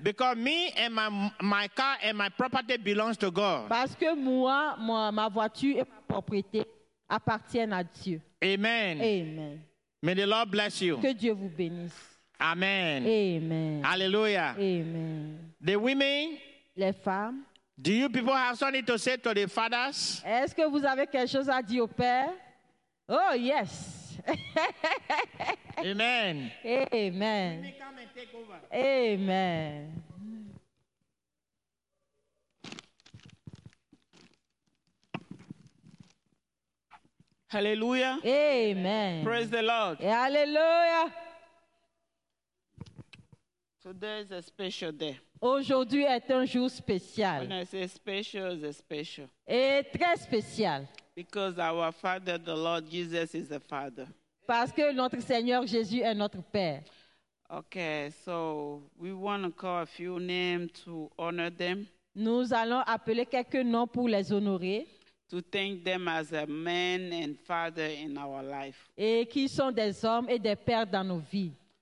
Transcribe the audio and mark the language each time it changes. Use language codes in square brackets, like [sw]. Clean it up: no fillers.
[en] Because me and my car and my property belongs to God. [fr] Parce que moi, ma voiture et ma propriété appartiennent à Dieu. [en] Amen. [fr] Amen. [en] May the Lord bless you. [fr] Que Dieu vous bénisse. [en] Amen. [fr] Amen. [en] Hallelujah. [fr] Amen. [en] The women. [fr] Les femmes. [en] Do you people have something to say to the fathers? [fr] Est-ce que vous avez quelque chose à dire au père? [en] Oh yes. Amen. Amen. Amen. Hallelujah. Amen. Praise the Lord. Hallelujah. Today is a special day. [fr] Aujourd'hui est un jour spécial. [en] When I say special, it's a special. [fr] Et très spécial. [en] Because our Father, the Lord Jesus, is a Father. [fr] Parce que notre Seigneur Jésus est notre Père. [en] Okay, so we want to call a few names to honor them. [fr] Nous allons appeler quelques noms pour les honorer. [en] To thank them as a man and father in our life. [fr] Et qui sont des hommes et des pères dans nos vies.